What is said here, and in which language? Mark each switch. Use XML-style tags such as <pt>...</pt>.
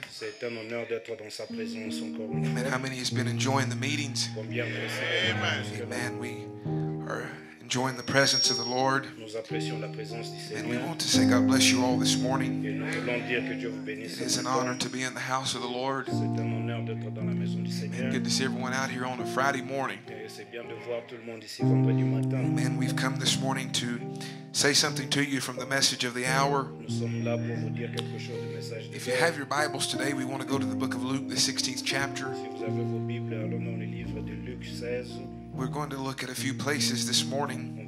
<fr>C'est un honneur d'être dans sa présence encore une fois.</fr> <en>Amen. How many has been enjoying the meetings? Amen. Amen. We are enjoying the presence of the Lord.</en> <fr>Nous apprécions la présence du Seigneur.</fr> <en>And we want to say God bless you all this morning.</en> <fr>Et nous voulons dire que Dieu vous bénisse.</fr> <en>It is an honor to be in the house of the Lord.</en> <fr>C'est un honneur d'être dans la maison du Seigneur.</fr> <en>Amen. Good to see everyone out here on a Friday morning.</en> <fr>Et c'est bien de voir tout le monde ici vendredi matin.</fr> <en>Amen. We've come this morning to say something to you from the message of the hour. If you have your Bibles today, we want to go to the book of Luke, the 16th chapter. We're going to look at a few places this morning.</en>